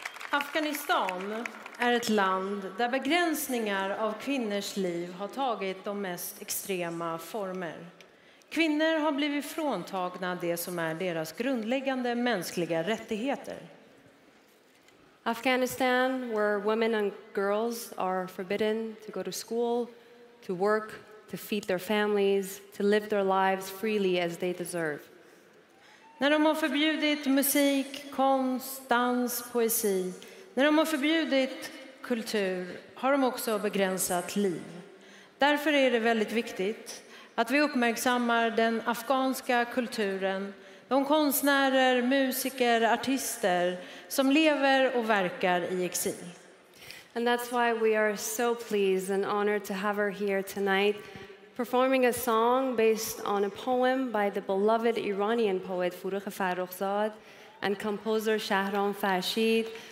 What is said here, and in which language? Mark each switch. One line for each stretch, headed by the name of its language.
Swedish: Afghanistan är ett land där begränsningar av kvinnors liv har tagit de mest extrema former. Kvinnor har blivit fråntagna det som är deras grundläggande mänskliga rättigheter.
English: Afghanistan, where women and girls are forbidden to go to school, to work, to feed their families, to live their lives freely as they deserve.
Swedish: När de har förbjudit musik, konst, dans, poesi, när de har förbjudit kultur, har de också begränsat liv. Därför är det väldigt viktigt att vi uppmärksammar den afghanska kulturen, de konstnärer, musiker, artister som lever och verkar i exil.
English: And that's why we are so pleased and honored to have her here tonight, performing a song based on a poem by the beloved Iranian poet Farooq Farrokhzad and composer Shahram Farshid.